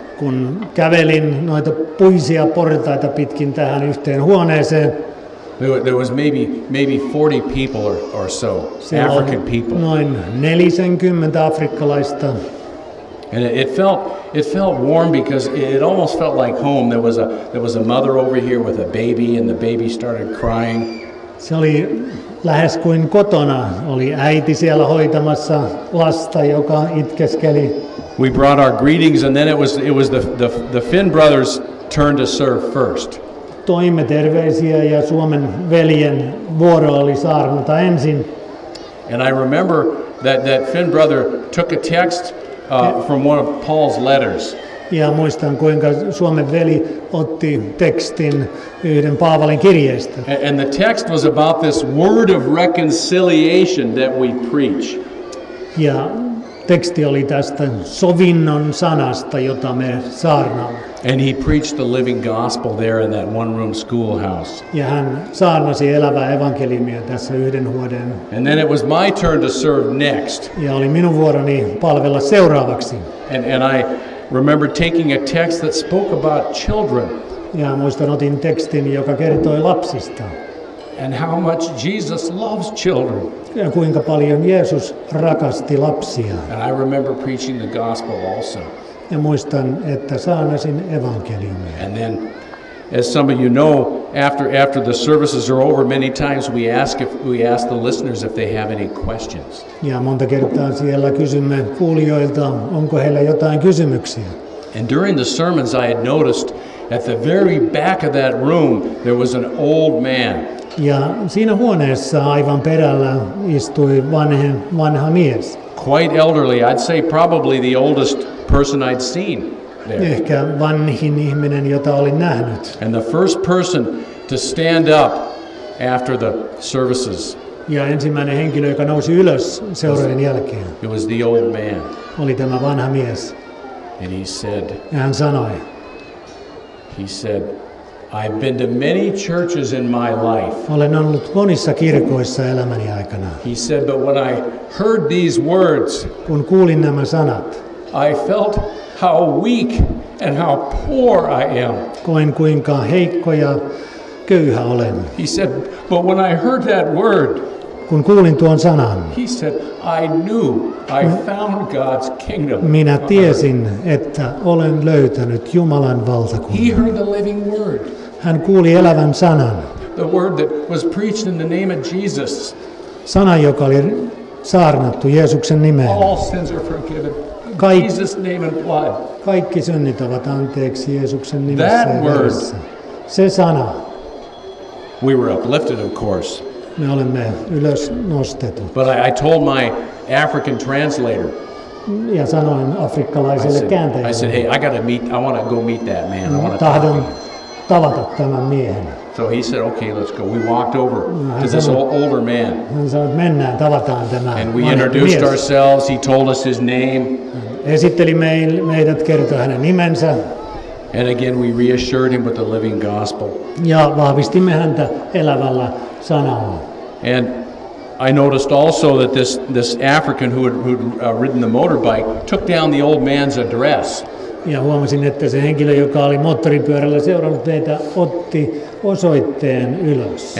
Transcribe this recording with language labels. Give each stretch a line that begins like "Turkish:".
Finnish: Kun kävelin noita puisia portaita pitkin tähän yhteen huoneeseen.
English: There was maybe 40 people or so, African people.
Finnish: Noin 40 afrikkalaista.
English: And it felt It felt warm because it almost felt like home. There was a mother over here with a baby, and the baby started crying.
Finnish: Se oli lähes kuin kotona. Oli äiti siellä hoitamassa lasta, joka itkeskeli.
English: We brought our greetings, and then it was the Finn brothers' turn to serve first.
Finnish: Toimme terveisiä ja Suomen veljen vuoro oli saarnata ensin.
English: And I remember that Finn brother took a text from one of Paul's letters.
Finnish: Ja muistan, kuinka Suomen veli otti tekstin yhden Paavalin kirjeestä.
English: And the text was about this word of reconciliation that we preach.
Finnish: Ja teksti oli tästä sovinnon sanasta, jota me saarnaamme.
English: And he preached the living gospel there in that one-room schoolhouse.
Finnish: Ja hän saarnasi elävää evankeliumia tässä yhden huoneen.
English: And then it was my turn to serve next.
Finnish: Ja oli minun vuoroni palvella seuraavaksi.
English: And I remember taking a text that spoke about children.
Finnish: Ja muistan otin tekstin, joka kertoi lapsista.
English: And how much Jesus loves children.
Finnish: Ja kuinka paljon Jeesus rakasti lapsia.
English: And I remember preaching the gospel also.
Finnish: Ja muistan, että saarnasin evankeliumia.
English: And then, as some of you know, after the services are over, many times we ask the listeners if they have any questions.
Finnish: Ja monta kertaa siellä kysymme kuulijoilta, onko heillä jotain kysymyksiä.
English: And during the sermons I had noticed at the very back of that room there was an old man.
Finnish: Ja siinä huoneessa aivan perällä istui vanha mies.
English: Quite elderly, I'd say probably the oldest person I'd seen there.
Finnish: Ehkä vanhin ihminen, jota olin nähnyt.
English: And the first person to stand up after the services.
Finnish: Ja ensimmäinen henkilö, joka nousi ylös seurojen jälkeen.
English: It was the old man.
Finnish: Oli tämä vanha mies.
English: And he said.
Finnish: Ja hän sanoi.
English: He said, I've been to many churches in my life.
Finnish: Olen ollut monissa kirkoissa elämäni aikana.
English: He said, but when I heard these words,
Finnish: kun kuulin nämä sanat,
English: I felt how weak and how poor I am.
Finnish: Koin kuinka heikko ja köyhä olen.
English: He said, but when I heard that word,
Finnish: kun kuulin tuon sanan,
English: he said, I knew I found God's kingdom.
Finnish: Minä tiesin, että olen löytänyt Jumalan valtakunnan.
English: He heard the living word.
Finnish: Hän kuuli elävän sanan.
English: The word that was preached in the name of Jesus.
Finnish: Sana, joka oli saarnattu Jeesuksen nimeen.
English: All sins are forgiven. Jesus' name and blood.
Finnish: Kaikki synnit ovat anteeksi Jeesuksen nimessä.
English: That word.
Finnish: Se sana.
English: We were uplifted, of course.
Finnish: Me olemme ylös nostettu.
English: But I told my African translator.
Finnish: Ja sanoin afrikkalaiselle kääntäjälle.
English: I said, hey, I want to go meet that man. I want to
Finnish: tahdon tavata tämän miehen.
English: So he said, okay, let's go. We walked over to this older man.
Finnish: Hän sanoi, että mennään, tavataan tämä.
English: And we introduced ourselves. He told us his name.
Finnish: Esitteli meidät, kertoi hänen nimensä.
English: And again, we reassured him with the living gospel.
Finnish: Ja vahvistimme häntä elävällä sanalla.
English: And I noticed also that this African who'd ridden the motorbike took down the old man's address.
Finnish: Ja huomasin, että se henkilö, joka oli moottoripyörällä seurannut teitä, otti osoitteen ylös.